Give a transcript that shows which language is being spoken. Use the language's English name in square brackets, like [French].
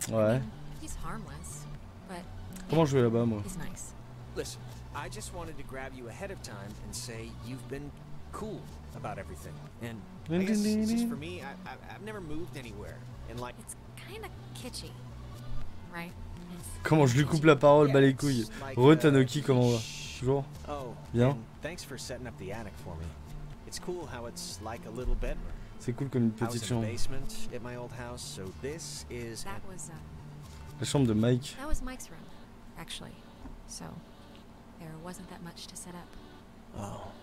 [French] Ouais. [English] I mean, he's harmless, but... [French] Comment je vais là-bas, moi? [English] He's nice. Listen, I just wanted to grab you ahead of time and say you've been cool about everything. And I guess it's just for me, I've never moved anywhere. And like, it's kind of kitschy, right? [French] Comment je lui coupe la parole, bah les couilles. Retanoki, comment on va? Toujours? Bien. [English] Thanks for setting up the attic for me. It's cool how it's like a little bedroom. [French] C'est cool comme une petite chambre. [English] Basement at my old house, so this is [French] la chambre de Mike. [English] That was Mike's room, actually. So there wasn't that much to set up.